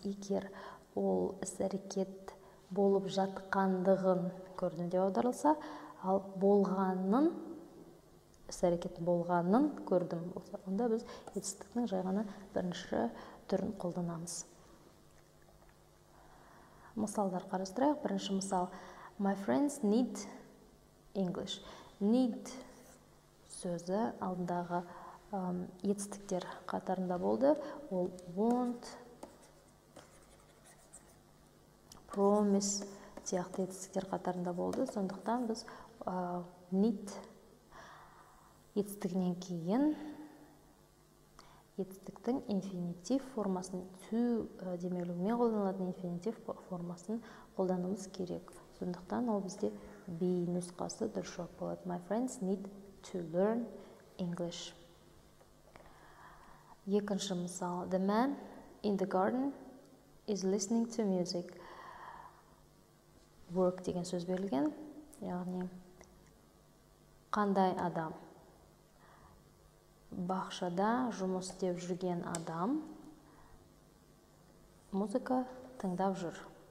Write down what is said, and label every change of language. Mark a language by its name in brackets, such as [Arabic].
[Kazakh] Егер ол әрекет болып жатқандығын көрдім деп аударылса, ал болғанын, әрекет болғанын көрдім болса, онда біз етістіктің жайғаны бірінші түрін қолданамыз. Мысалдар қарастырайық. Бірінші мысал. [English] My friends need English. [Kazakh] Need сөзі алдындағы етістіктер қатарында болды. Ол want, promise сияқты етістіктер қатарында болды. Сондықтан біз need етістігінен кейін етістіктің инфинитив формасын, to демелумен қолданылатын инфинитив формасын қолдануымыз керек. Сондықтан ол бізде be нұсқасы дұрыс жауап болады. [English] My friends need to learn English. [Kazakh] Екінші мысал. [English] The man in the garden is listening to music. [Kazakh] work деген сөз берілген, яғни қандай адам. Бақшада жұмыс істеп жүрген адам музыка тыңдап жүр.